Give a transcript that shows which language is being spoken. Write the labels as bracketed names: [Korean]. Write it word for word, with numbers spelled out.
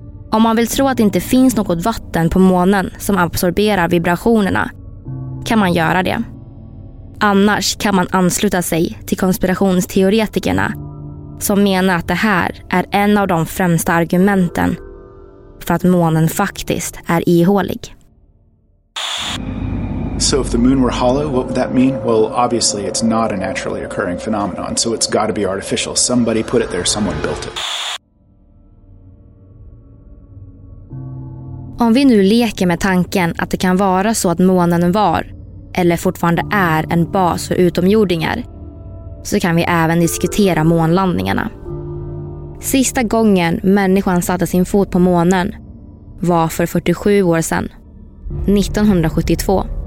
[Swedish] Om man vill tro att det inte finns något vatten på månen som absorberar vibrationerna, kan man göra det. Annars kan man ansluta sig till konspirationsteoretikerna som menar att det här är en av de främsta argumenten för att månen faktiskt är ihålig. [English] So if the moon were hollow, what would that mean? Well, obviously it's not a naturally occurring phenomenon, so it's got to be artificial. Somebody put it there, someone built it. [Swedish] Om vi nu leker med tanken att det kan vara så att månen var eller fortfarande är en bas för utomjordingar, så kan vi även diskutera månlandningarna. Sista gången människan satte sin fot på månen var för fyrtiosju år sedan, nittonhundrasjuttiotvå.